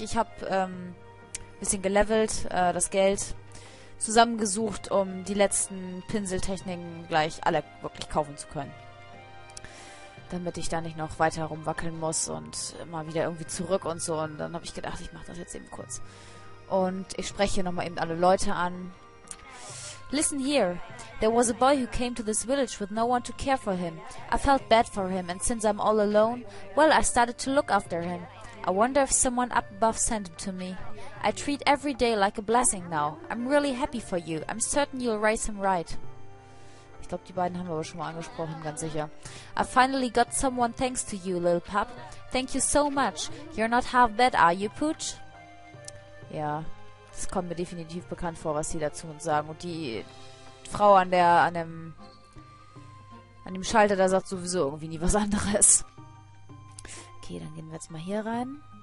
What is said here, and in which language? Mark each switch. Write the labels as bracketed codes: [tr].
[de] Ich habe ein bisschen gelevelt, das Geld zusammengesucht, um die letzten Pinseltechniken gleich alle wirklich kaufen zu können. Damit ich da nicht noch weiter rumwackeln muss und immer wieder irgendwie zurück und so. Und dann habe ich gedacht, ich mache das jetzt eben kurz. Und ich spreche hier nochmal eben alle Leute an. [en] Listen here. There was a boy who came to this village with no one to care for him. I felt bad for him, and since I'm all alone, well, I started to look after him. I wonder if someone up above sent him to me. I treat every day like a blessing now. I'm really happy for you. I'm certain you'll raise him right. [de] Ich glaube, die beiden haben wir aber schon mal angesprochen, ganz sicher. [en] I finally got someone thanks to you, little pup. Thank you so much. You're not half bad, are you, Pooch? Ja. [de] Das kommt mir definitiv bekannt vor, was sie dazu uns sagen. Und die Frau an dem Schalter, da sagt sowieso irgendwie nie was anderes. Okay, dann gehen wir jetzt mal hier rein.